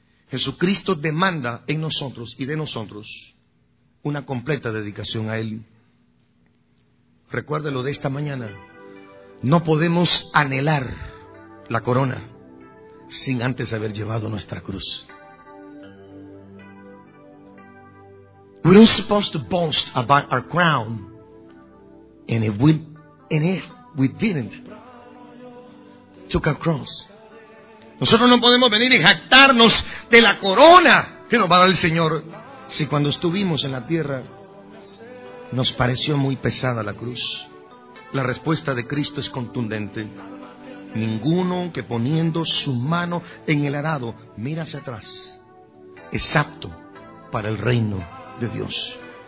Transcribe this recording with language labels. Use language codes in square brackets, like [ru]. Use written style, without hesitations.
[es] Jesucristo demanda en nosotros y de nosotros una completa dedicación a Él. Recuérdelo de esta mañana, no podemos anhelar la corona sin antes haber llevado nuestra cruz. [en] We don't supposed to boast about our crown, and if we didn't took our cross. [es] Nosotros no podemos venir y jactarnos de la corona que nos va a dar el Señor si cuando estuvimos en la tierra nos pareció muy pesada la cruz. La respuesta de Cristo es contundente. Ninguno que poniendo su mano en el arado mira hacia atrás es apto para el reino de Dios.